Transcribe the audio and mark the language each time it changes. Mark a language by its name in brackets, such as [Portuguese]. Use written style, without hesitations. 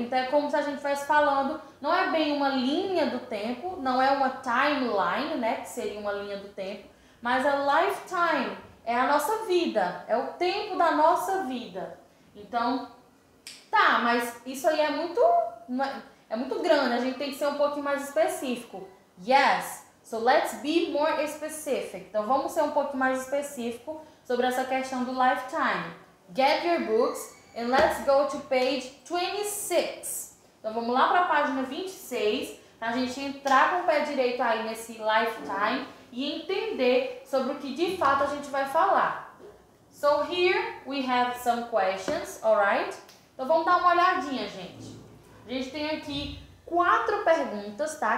[Portuguese] Então, é como se a gente estivesse falando, não é bem uma linha do tempo, não é uma timeline, né, que seria uma linha do tempo, mas a lifetime é a nossa vida, é o tempo da nossa vida. Então, tá, mas isso aí é muito grande, a gente tem que ser um pouquinho mais específico. [English] Yes, so let's be more specific. [Portuguese] Então vamos ser um pouco mais específico sobre essa questão do lifetime. [English] Get your books and let's go to page 26. [Portuguese] Então vamos lá para a página 26, para a gente entrar com o pé direito aí nesse lifetime e entender sobre o que de fato a gente vai falar. [English] So here we have some questions, alright? [Portuguese] Então, vamos dar uma olhadinha, gente. A gente tem aqui quatro perguntas, tá?